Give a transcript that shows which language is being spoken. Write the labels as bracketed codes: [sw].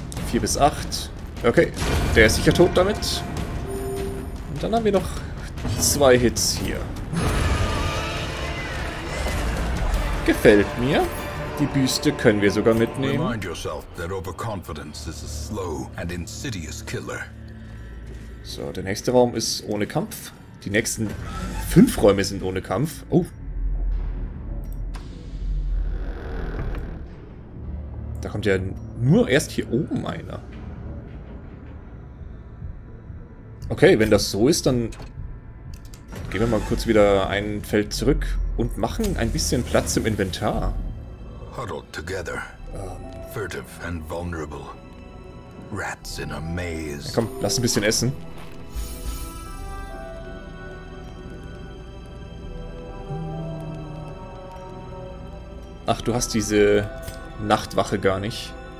[de] 4 bis 8. Okay, der ist sicher tot damit. Und dann haben wir noch 2 Hits hier. Gefällt mir. Die Büste können wir sogar mitnehmen. [en] Remind yourself that overconfidence is a slow and insidious killer. [de] So, der nächste Raum ist ohne Kampf. Die nächsten 5 Räume sind ohne Kampf. Oh. Da kommt ja nur erst hier oben einer. Okay, wenn das so ist, dann gehen wir mal kurz wieder ein Feld zurück und machen ein bisschen Platz im Inventar. [en] Huddled together, furtive and vulnerable. Rats in a maze. [de] Komm, lass ein bisschen essen. Ach, du hast diese Nachtwache gar nicht.